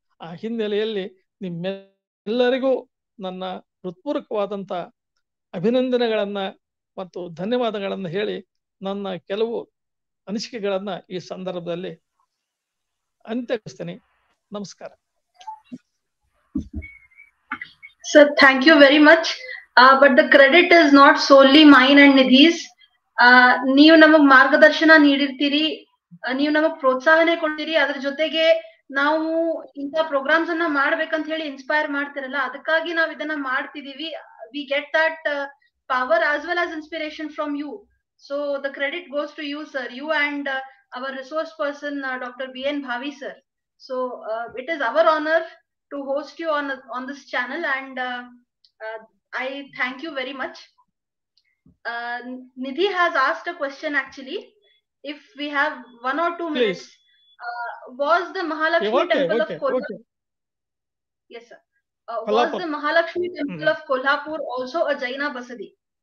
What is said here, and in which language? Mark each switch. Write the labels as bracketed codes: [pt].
[kn] ಆ ಹಿನ್ನೆಲೆಯಲ್ಲಿ ನಿಮ್ಮೆಲ್ಲರಿಗೂ ನನ್ನ ಹೃತ್ಪೂರ್ವಕವಾದಂಥ ಅಭಿನಂದನೆಗಳನ್ನು ಮತ್ತು ಧನ್ಯವಾದಗಳನ್ನು ಹೇಳಿ ನನ್ನ ಕೆಲವು ಅನಿಸಿಕೆಗಳನ್ನು ಈ ಸಂದರ್ಭದಲ್ಲಿ ಅಂತ್ಯಗೊಳಿಸ್ತೀನಿ. ನಮಸ್ಕಾರ. [en] So thank you very much, but the credit is not solely mine and Nidhi's. [kn] ನೀವು ನಮಗ್ ಮಾರ್ಗದರ್ಶನ ನೀಡಿರ್ತೀರಿ, ನೀವು ನಮಗ್ ಪ್ರೋತ್ಸಾಹನೆ ಕೊಡ್ತೀರಿ, ಅದ್ರ ಜೊತೆಗೆ ನಾವು ಇಂಥ ಪ್ರೋಗ್ರಾಮ್ಸ್ ಅನ್ನ ಮಾಡ್ಬೇಕಂತ ಹೇಳಿ ಇನ್ಸ್ಪೈರ್ ಮಾಡ್ತಿರಲ್ಲ, ಅದಕ್ಕಾಗಿ ನಾವ್ ಇದನ್ನ ಮಾಡ್ತಿದೀವಿ. [en] We get that power as well as inspiration from you. So the credit goes to you sir, you and our resource person doctor B N Bhavi sir. So it is our honour to host you on this channel, and I thank you very much. Nidhi has asked a question actually, if we have 1 or 2 please. Minutes, was the Mahalakshmi temple of Kolhapur, yes sir, was the Mahalakshmi temple of Kolhapur also a Jaina Basadi?